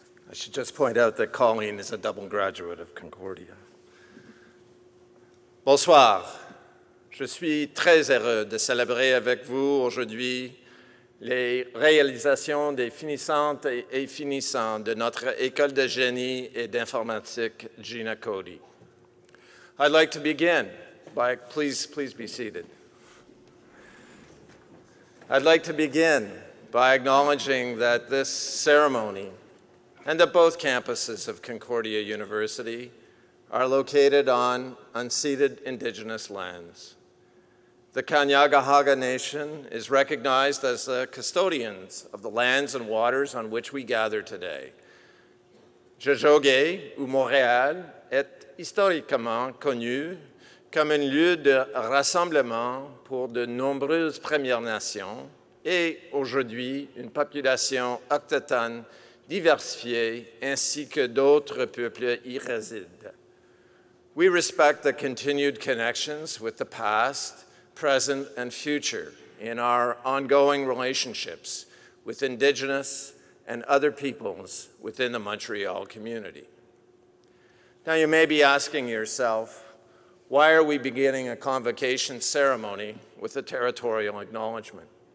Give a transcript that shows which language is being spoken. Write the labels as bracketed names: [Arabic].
[English] I should just point out that Colleen is a double graduate of Concordia. [French] Bonsoir. Je suis très heureux de célébrer avec vous aujourd'hui les réalisations des finissantes et finissants de notre école de génie et d'informatique Gina Cody. [English] I'd like to begin by please be seated. I'd like to begin by acknowledging that this ceremony and that both campuses of Concordia University are located on unceded indigenous lands. The Kanyagahaga Nation is recognized as the custodians of the lands and waters on which we gather today. [French] Jojogé, ou Montréal, est historiquement connu comme un lieu de rassemblement pour de nombreuses Premières Nations et aujourd'hui une population octotone diversifiée ainsi que d'autres peuples y résident. [English] We respect the continued connections with the past, present, and future in our ongoing relationships with Indigenous and other peoples within the Montreal community. Now, you may be asking yourself, why are we beginning a convocation ceremony with a territorial acknowledgement?